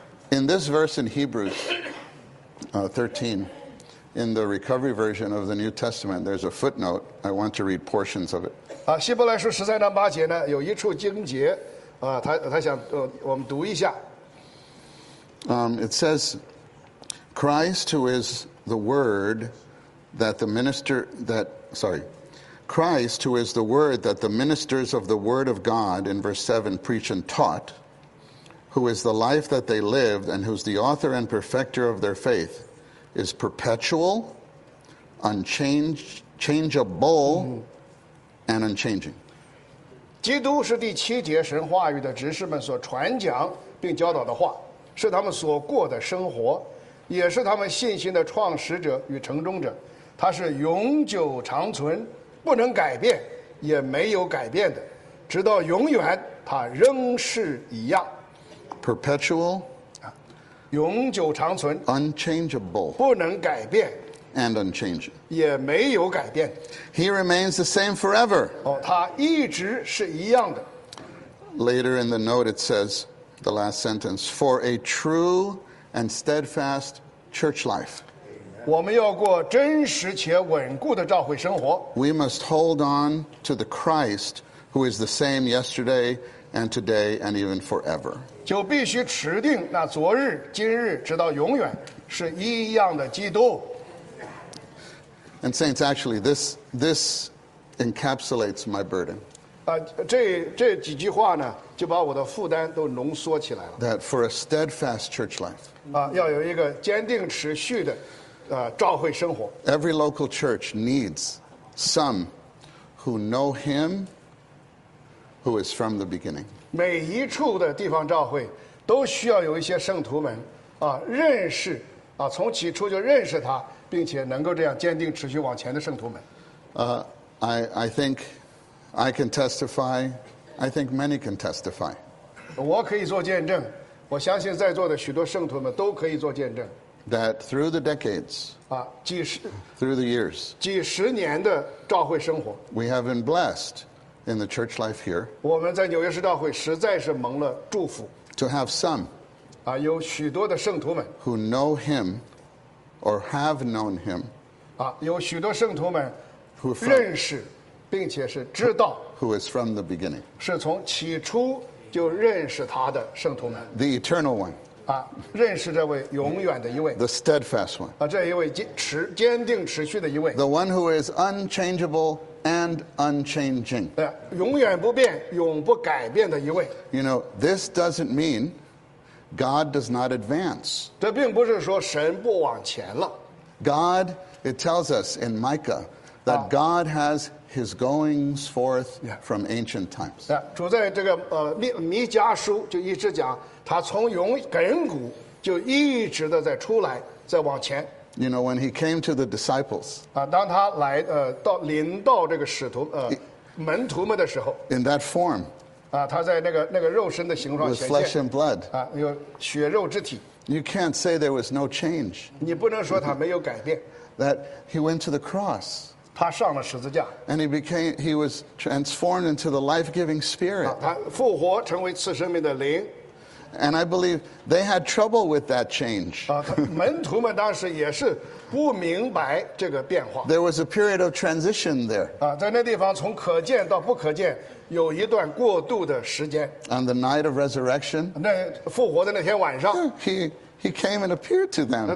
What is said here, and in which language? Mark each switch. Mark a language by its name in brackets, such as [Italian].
[English] In this verse in Hebrews 13, in the Recovery Version of the New Testament, there's a footnote. I want to read portions of it. [Chinese] 啊，希伯来书十三章八节呢，有一处经节，啊，他想我们读一下。 [English] It says, "Christ, who is the word that the minister that sorry, Christ, who is the word that the ministers of the word of God in verse 7 preach and taught, who is the life that they lived and who's the author and perfecter of their faith, is perpetual, unchangeable." Mm-hmm. And unchanging. [Chinese] 基督是第七节神话语的执事们所传讲并教导的话，是他们所过的生活，也是他们信心的创始者与成终者。他是永久长存，不能改变，也没有改变的，直到永远，他仍是一样。 [English] Perpetual. [Chinese] 永久长存。 [English] Unchangeable. [Chinese] 不能改变。 [English] And unchanging. [Chinese] 也没有改变。 [English] He remains the same forever. [Chinese] 哦，他一直是一样的。 [English] Later in the note, it says the last sentence: "For a true and steadfast church life." [Chinese] 我们要过真实且稳固的召会生活。 [English] We must hold on to the Christ who is the same yesterday and today and even forever. [Chinese] 就必须持定那昨日、今日直到永远是一样的基督。 [English] And saints, actually, this encapsulates my burden. [Chinese] 啊，这几句话呢，就把我的负担都浓缩起来了。 [English] That for a steadfast church life. [Chinese] 啊，要有一个坚定持续的，召会生活。 [English] Every local church needs some who know Him, who is from the beginning. [Chinese] 每一处的地方召会都需要有一些圣徒们啊，认识啊，从起初就认识他。并且能够这样坚定持续往前的圣徒们。 [English] I think I can testify. I think many can testify. [Chinese] 我可以做见证，我相信在座的许多圣徒们都可以做见证。 [English] That through the decades. [Chinese] 啊，几十。 [English] Through the years. [Chinese] 几十年的召会生活。 [English] We have been blessed in the church life here. [Chinese] 我们在纽约市召会实在是蒙了祝福。 [English] To have some. [Chinese] 啊，有许多的圣徒们。 [English] Who know him. Or have known him. [Chinese] 啊，有许多圣徒们认识，并且是知道。 [English] Who is from the beginning? [Chinese] 是从起初就认识他的圣徒们。 [English] The eternal one. [Chinese] 啊，认识这位永远的一位。 [English] The steadfast one. [Chinese] 啊，这一位坚定持续的一位。 [English] The one who is unchangeable and unchanging. [Chinese] 对，永远不变、永不改变的一位。 [English] You know, this doesn't mean. God does not advance. [Chinese] 这并不是说神不往前了。 [English] God, it tells us in Micah, that God has His goings forth from ancient times. [Chinese] 主在这个弥迦书就一直讲，他从远古就一直的在出来，在往前。 [English] You know, when He came to the disciples. [Chinese] 啊，当他来到临到这个使徒门徒们的时候。 [English] In that form. [Chinese] 他在那个肉身的形状显现。 [English] With flesh and blood. [Chinese] 啊，有血肉之体。 [English] You can't say there was no change. [Chinese] 你不能说他没有改变。 [English] That he went to the cross. [Chinese] 他上了十字架。 [English] And he was transformed into the life-giving spirit. [Chinese] 他复活成为赐生命的灵。 [English] And I believe they had trouble with that change. [Chinese] 门徒们当时也是不明白这个变化。 [English] There was a period of transition there. [Chinese] 在那地方从可见到不可见有一段过渡的时间。 [English] On the night of resurrection, [Chinese] 那复活的那天晚上 [English] he came and appeared to them.